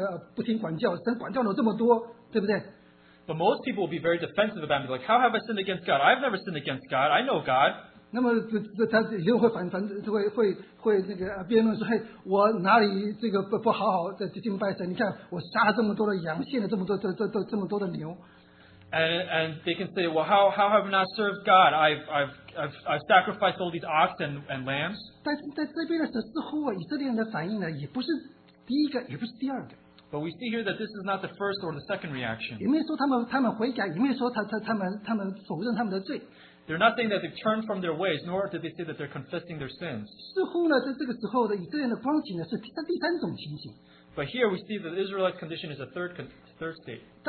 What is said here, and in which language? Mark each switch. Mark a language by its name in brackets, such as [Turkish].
[Chinese] 那有些人大部分的情形呢,就开始就为自己,这样我说,我哪里有错,我哪里不认识神,你看我多认识神,你看我哪里这个,不听管教,神管教了这么多,对不对? [English] But most people will be very defensive about me, like, how have I sinned against God? I've never sinned against God, I know God. [Chinese] 那么他也会反反会那个辩论说，嘿，我哪里这个不好好的敬拜神？你看我杀了这么多的羊，献了这么多的牛。 [English] And they can say, well, how have I not served God? I've sacrificed all these oxen and lambs. [Chinese] 但是在这边的时候，似乎以色列人的反应呢，也不是第一个，也不是第二个。 [English] But we see here that this is not the first or the second reaction. [Chinese] 也没说他们悔改，也没说他们否认他们的罪。 [English] They're not saying that they've turned from their ways, nor did they say that they're confessing their sins. [Chinese] 似乎呢,在这个时候的以色列的光景呢,是第三种情形。 [English] But here we see that Israelite condition is a third state.